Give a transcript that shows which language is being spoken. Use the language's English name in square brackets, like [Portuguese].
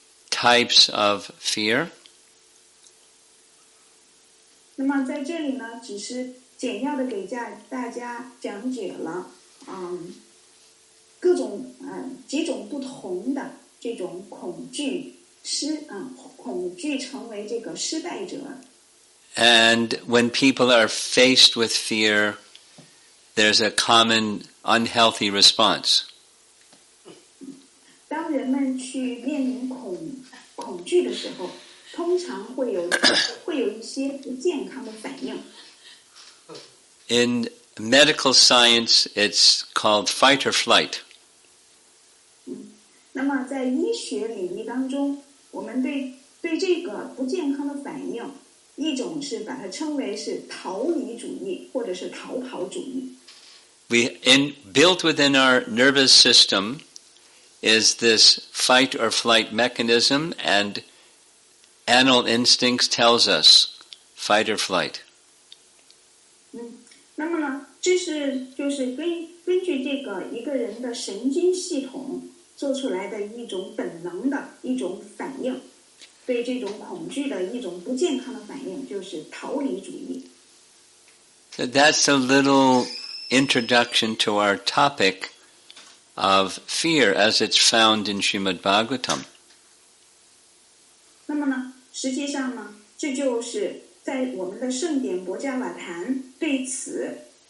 [English] Types of fear. [Chinese] 那么在这里呢，只是简要的给大家讲解了，各种几种不同的这种恐惧失恐惧成为这个失败者。 [English] And when people are faced with fear, there's a common unhealthy response. [Chinese] 当人们去面临恐惧的时候，通常会有一些不健康的反应。 [English] In medical science, it's called fight or flight. [Chinese] 那么在医学领域当中，我们对这个不健康的反应，一种是把它称为是逃离主义，或者是逃跑主义。 [English] We built within our nervous system is this fight or flight mechanism, and animal instincts tells us fight or flight. [Chinese] 那么呢，这是根据这个一个人的神经系统做出来的一种本能的一种反应，对这种恐惧的一种不健康的反应，就是逃离主义。 [English] So that's a little introduction to our topic of fear as it's found in Srimad Bhagavatam. [Chinese] 那么呢，实际上呢，这就是在我们的圣典《薄伽瓦坛》对此。